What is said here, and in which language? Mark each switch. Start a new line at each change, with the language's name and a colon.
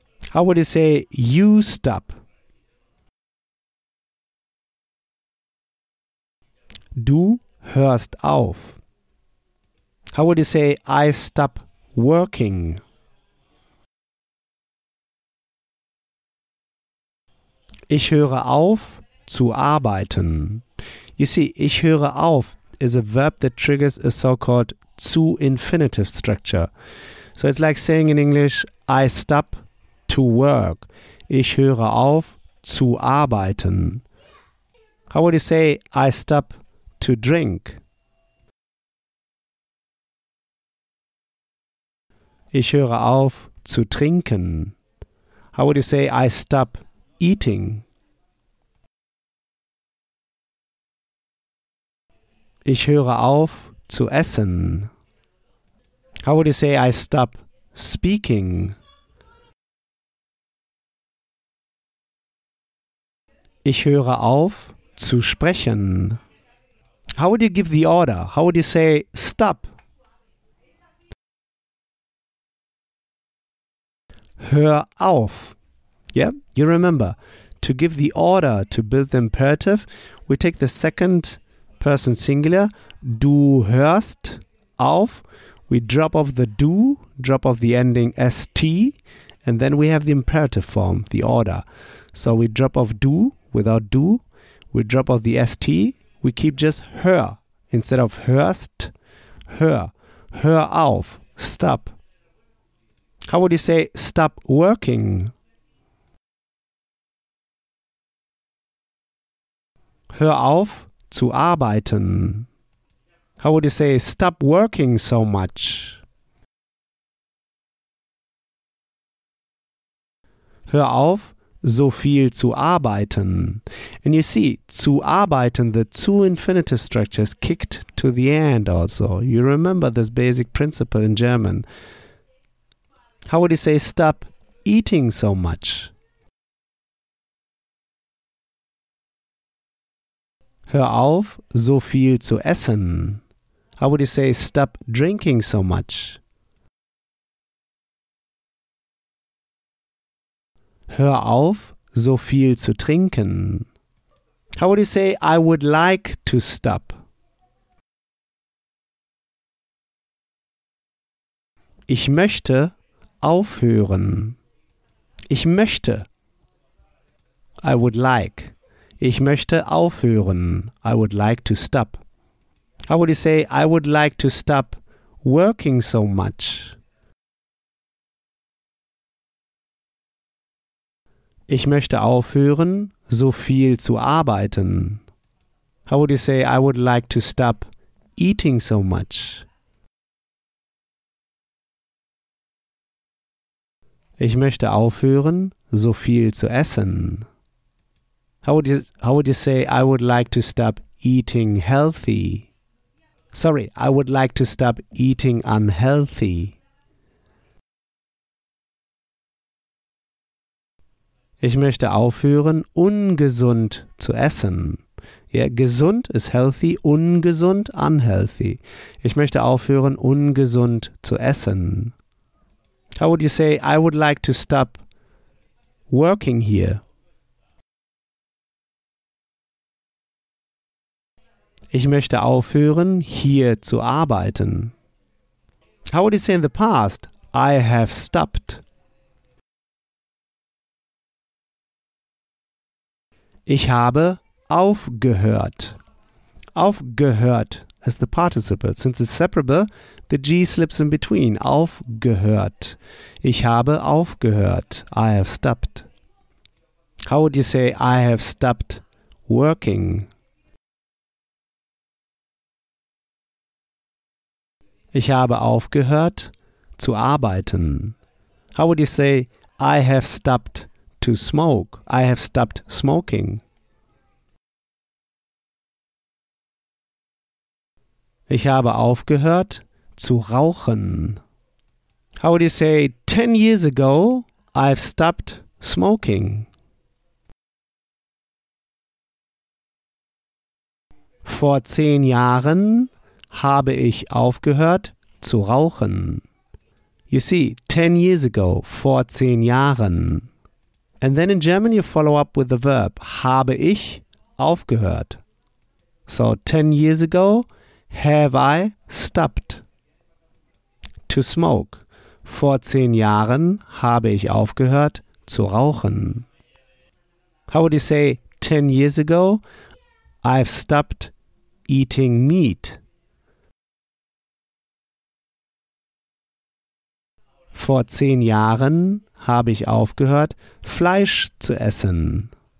English: How would you say you stop?
German: Du hörst auf.
English: How would you say I stop working?
German: Ich höre auf zu arbeiten.
English: You see,
German: ich höre auf
English: is a verb that triggers a so-called zu infinitive structure. So it's like saying in English, I stop to work.
German: Ich höre auf zu arbeiten.
English: How would you say I stop to drink?
German: Ich höre auf zu trinken.
English: How would you say I stop eating?
German: Ich höre auf zu essen.
English: How would you say I stop speaking?
German: Ich höre auf zu sprechen.
English: How would you give the order? How would you say stop?
German: Hör auf.
English: Yeah, you remember. To give the order to build the imperative, we take the second person singular.
German: Du hörst auf.
English: We drop off the du, drop off the ending st, and then we have the imperative form, the order. So we drop off du without du. We drop off the st. We keep just hör instead of hörst.
German: Hör. Hör auf.
English: Stop. How would you say stop working?
German: Hör auf zu arbeiten.
English: How would you say stop working so much?
German: Hör auf so viel zu arbeiten.
English: And you see, zu arbeiten, the zu infinitive structure is kicked to the end also. You remember this basic principle in German. How would you say stop eating so much?
German: Hör auf, so viel zu essen.
English: How would you say stop drinking so much?
German: Hör auf, so viel zu trinken.
English: How would you say I would like to stop?
German: Ich möchte aufhören. Ich möchte.
English: I would like.
German: Ich möchte aufhören.
English: I would like to stop. How would you say I would like to stop working so much?
German: Ich möchte aufhören, so viel zu arbeiten.
English: How would you say I would like to stop eating so much?
German: Ich möchte aufhören, so viel zu essen.
English: How would you say I would like to stop eating healthy? Sorry, I would like to stop eating unhealthy.
German: Ich möchte aufhören, ungesund zu essen.
English: Yeah, gesund is healthy, ungesund, unhealthy.
German: Ich möchte aufhören, ungesund zu essen.
English: How would you say, I would like to stop working here?
German: Ich möchte aufhören, hier zu arbeiten.
English: How would you say in the past, I have stopped?
German: Ich habe aufgehört.
English: Aufgehört is the participle. Since it's separable, the G slips in between. Aufgehört.
German: Ich habe aufgehört.
English: I have stopped. How would you say I have stopped working?
German: Ich habe aufgehört zu arbeiten.
English: How would you say, I have stopped to smoke? I have stopped smoking.
German: Ich habe aufgehört zu rauchen.
English: How would you say, 10 years ago, I've stopped smoking?
German: Vor 10 Jahren habe ich aufgehört zu rauchen.
English: You see, 10 years ago,
German: vor 10 Jahren.
English: And then in German you follow up with the verb,
German: habe ich aufgehört.
English: So, 10 years ago, have I stopped to smoke.
German: Vor 10 Jahren habe ich aufgehört zu rauchen.
English: How would you say, 10 years ago, I've stopped eating meat.
German: Vor 10 Jahren habe ich aufgehört, Fleisch zu essen.